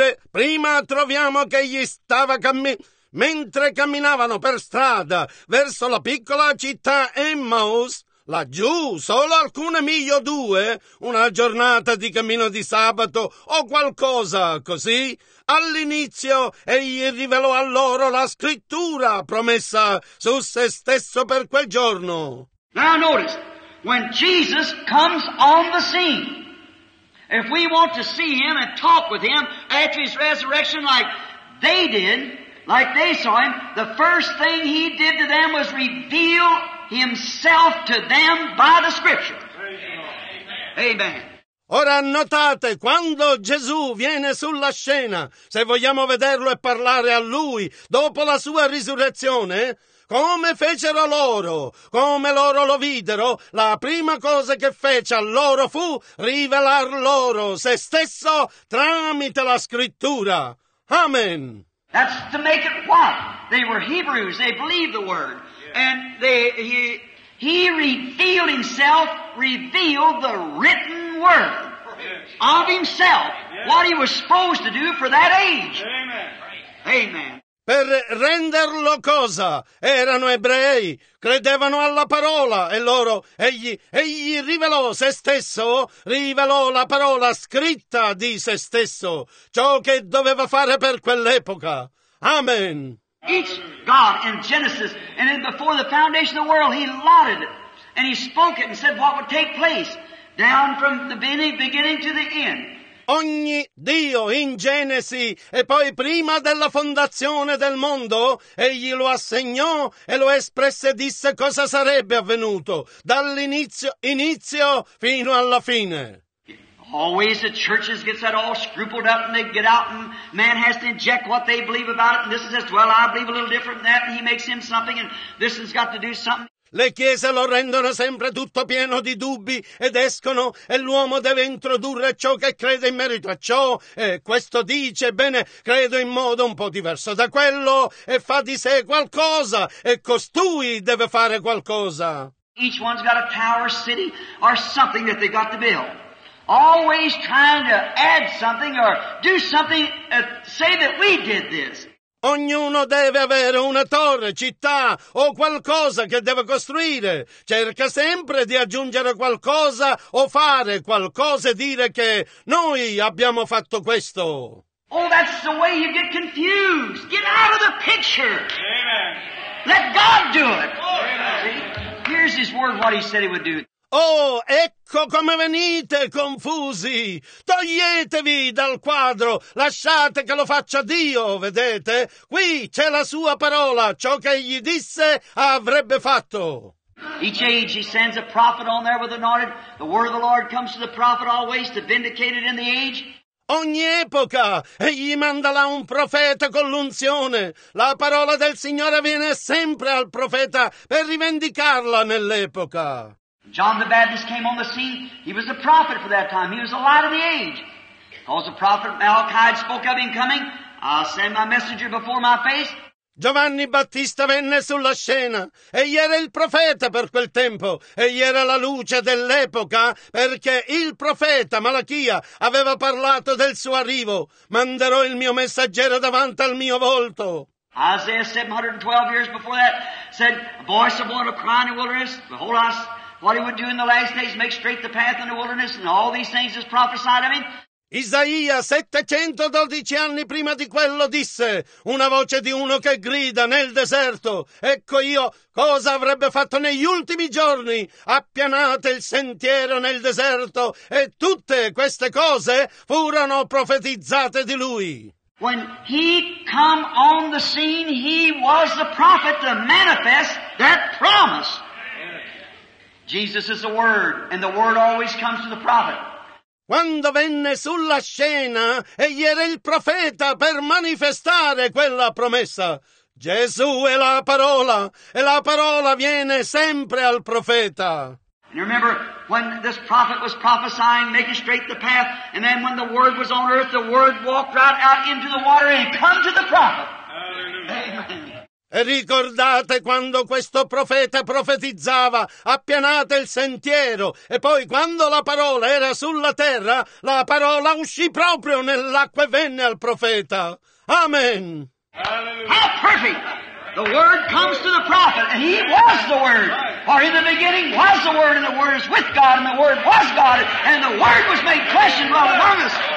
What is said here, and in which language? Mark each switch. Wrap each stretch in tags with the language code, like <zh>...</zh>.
<it>Prima troviamo che egli stava mentre camminavano per strada verso la piccola città Emmaus, laggiù, solo alcune miglio due, una giornata di cammino di sabato o qualcosa così. All'inizio egli rivelò a loro la scrittura promessa su se stesso per quel giorno.</it> <en>Now notice, when Jesus comes on the scene, if we want to see him and talk with him after his resurrection like they did, like they saw him, the first thing he did to them was reveal himself to them by the scripture. Amen.</en> <it>Ora notate, quando Gesù viene sulla scena, se vogliamo vederlo e parlare a lui dopo la sua risurrezione, come fecero loro, come loro lo videro, la prima cosa che fece a loro fu rivelar loro se stesso tramite la scrittura. Amen.</it> <en>That's to make it what? They were Hebrews, they believed the word. And he revealed himself, revealed the written word of himself, what he was supposed to do for that age. Amen. Amen.</en> <it>Per renderlo cosa? Erano ebrei, credevano alla parola, e loro, egli rivelò se stesso, rivelò la parola scritta di se stesso, ciò che doveva fare per quell'epoca. Amen.</it> <en>Each God in Genesis, and then before the foundation of the world, he allotted it, and he spoke it and said what would take place, down from the beginning to the end.</en> <it>Ogni Dio in Genesi e poi prima della fondazione del mondo, egli lo assegnò e lo espresse e disse cosa sarebbe avvenuto dall'inizio inizio fino alla fine.</it> <en>Always the churches get that all scrupled up and they get out and man has to inject what they believe about it and this is just, well, I believe a little different than that and he makes him something and this has got to do something.</en> <it>Le chiese lo rendono sempre tutto pieno di dubbi ed escono e l'uomo deve introdurre ciò che crede in merito a ciò e questo dice, bene, credo in modo un po' diverso da quello e fa di sé qualcosa e costui deve fare qualcosa.</it> <en>Each one's got a tower, city, or something that they got to build. Always trying to add something or do something, say that we did this.</en> <it>Ognuno deve avere una torre, città o qualcosa che deve costruire. Cerca sempre di aggiungere qualcosa o fare qualcosa e dire che noi abbiamo fatto questo.</it> <en>Oh, that's the way you get confused. Get out of the picture. Amen. Let God do it. Amen. See? Here's his word, what he said he would do.</en> <it>Oh, ecco come venite confusi! Toglietevi dal quadro, lasciate che lo faccia Dio, vedete? Qui c'è la sua parola, ciò che egli disse avrebbe fatto.</it> <en>Each age he sends a prophet on there with an order. The word of the Lord comes to the prophet always to vindicate it in the age.</en> <it>Ogni epoca egli manda là un profeta con l'unzione. La parola del Signore viene sempre al profeta per rivendicarla nell'epoca.</it> <en>John the Baptist came on the scene. He was a prophet for that time. He was the light of the age. Because the prophet Malachi spoke of him coming, I'll send my messenger before my face.</en> <it>Giovanni Battista venne sulla scena. Egli era il profeta per quel tempo. Egli era la luce dell'epoca perché il profeta Malachia aveva parlato del suo arrivo. Manderò il mio messaggero davanti al mio volto.</it> <en>Isaiah 712 years before that said, a voice of one crying in the wilderness, behold us. what he would do in the last days, make straight the path in the wilderness, and all these things is prophesied of him.</en> <it>Isaia, 712 anni prima di quello, disse: una voce di uno che grida nel deserto, ecco io cosa avrebbe fatto negli ultimi giorni, appianate il sentiero nel deserto, e tutte queste cose furono profetizzate di lui.</it> <en>When he come on the scene, he was the prophet to manifest that promise. Jesus is the word, and the word always comes to the prophet.</en> <it>Quando venne sulla scena, egli era il profeta per manifestare quella promessa. Gesù è la parola, e la parola viene sempre al profeta.</it> <en>And you remember when this prophet was prophesying, making straight the path, and then when the word was on earth, the word walked right out into the water and come to the prophet. Hallelujah. Amen.</en> <it>E ricordate quando questo profeta profetizzava, appianate il sentiero, e poi quando la parola era sulla terra, la parola uscì proprio nell'acqua e venne al profeta. Amen.</it> <en>How perfect! The word comes to the prophet, and he was the word. For in the beginning was the word, and the word is with God, and the word was God, and the word was made flesh and dwelt among us.</en>